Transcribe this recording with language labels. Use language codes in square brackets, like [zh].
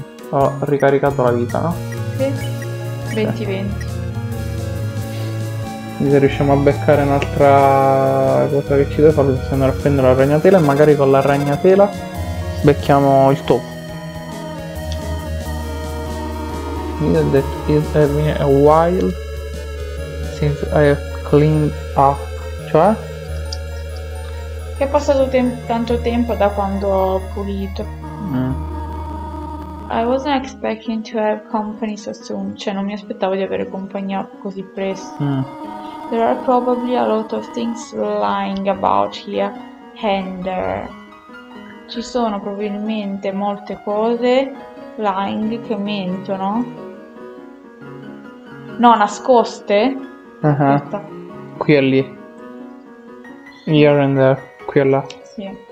[it] Ho ricaricato la vita, no? Sì, 20-20. Se riusciamo a beccare un'altra cosa che ci deve fare, se andiamo a prendere la ragnatela e magari con la ragnatela becchiamo il topo. [en] It's been a while since I have cleaned up, cioè? [it] È passato tanto tempo da quando ho pulito. [en] I wasn't expecting to have company so soon, [it] cioè non mi aspettavo di avere compagnia così presto. [en] There are probably a lot of things lying about here and there. [it] Ci sono probabilmente molte cose lying che mentono. No, nascoste. Aspetta. Qui e lì. [en] Here and there. [it] Qui e là. Sì.